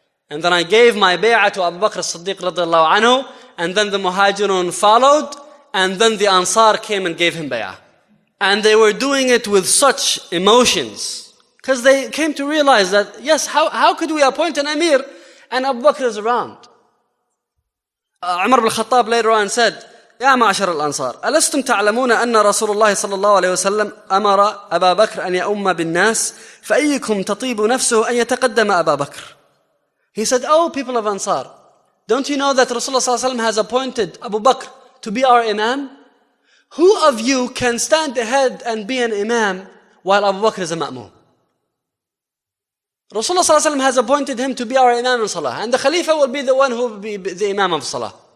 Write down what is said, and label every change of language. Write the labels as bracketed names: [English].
[English] And then I gave my bay'ah to Abu Bakr as-Siddiq radiallahu anhu, and then the Muhajirun followed, and then the Ansar came and gave him bay'ah. And they were doing it with such emotions, because they came to realize that, yes, how could we appoint an emir and Abu Bakr is around? Umar ibn Khattab later on said, [Arabic] يا معشر الأنصار ألستم تعلمون أن رسول الله صلى الله عليه وسلم أمر أبا بكر أن يأم بالناس فأيكم تطيب نفسه أن يتقدم أبا بكر. [English] He said, oh people of Ansar, don't you know that Rasulullah صلى الله عليه وسلم has appointed Abu Bakr to be our imam? Who of you can stand ahead and be an imam while Abu Bakr is a ma'mum? Rasulullah صلى الله عليه وسلم has appointed him to be our imam in salah, and the Khalifa will be the one who will be the imam of salah.